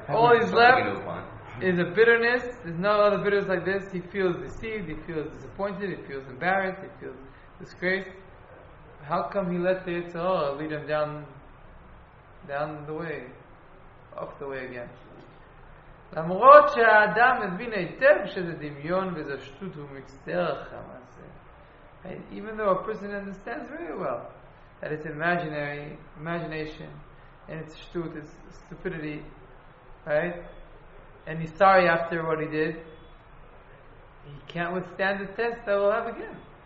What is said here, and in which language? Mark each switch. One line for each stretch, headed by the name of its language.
English: All he's left is a bitterness. There's no other bitterness like this. He feels deceived. He feels disappointed. He feels embarrassed. He feels disgraced. How come he let the Yetzirah lead him down the way, off the way again?
Hebrew: למרות שהאדם מבין היטב שזה דמיון וזה שטות ומצטער אחרי המעשה.
English: And even though a person understands very well that it's imagination, and it's shtut, it's stupidity, right? And he's sorry after what he did, he can't withstand the test that we'll have again.